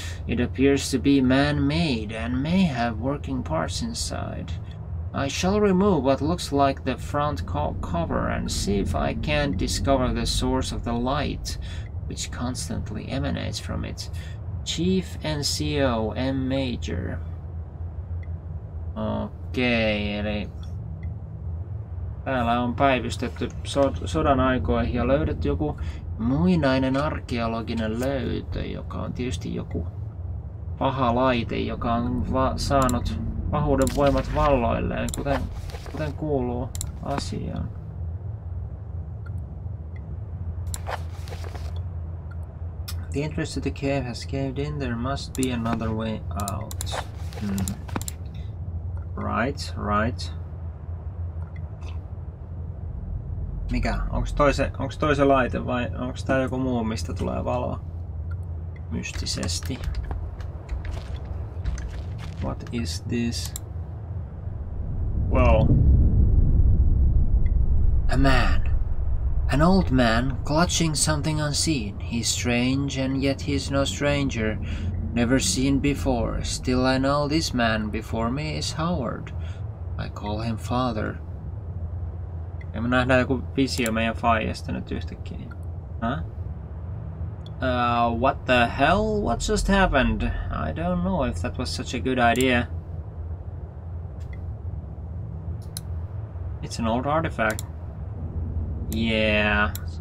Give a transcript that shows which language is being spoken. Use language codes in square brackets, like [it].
[en] It appears to be man-made and may have working parts inside. I shall remove what looks like the front cover and see if I can't discover the source of the light which constantly emanates from it. Chief NCO M. Major. [fi] Okay, eli täällä on päivystetty sodan aikoihin ja löydetty joku muinainen arkeologinen löytö, joka on tietysti joku paha laite, joka on saanut pahuuden voimat valloilleen, kuten kuuluu asiaan. [en] The entrance to the cave has caved in. There must be another way out. Right. [fi] Mikä? Onks toi se laite vai onks tää joku muu, mistä tulee valoa? Mystisesti. [en] What is this? Well. A man. An old man clutching something unseen. He's strange and yet he's no stranger. Never seen before. Still I know this man before me is Howard. I call him father. [fi] Ja me nähdään joku visio meidän faijasta nyt yhtäkkiä. [en] What the hell? What just happened? I don't know if that was such a good idea. It's an old artifact. Yeah.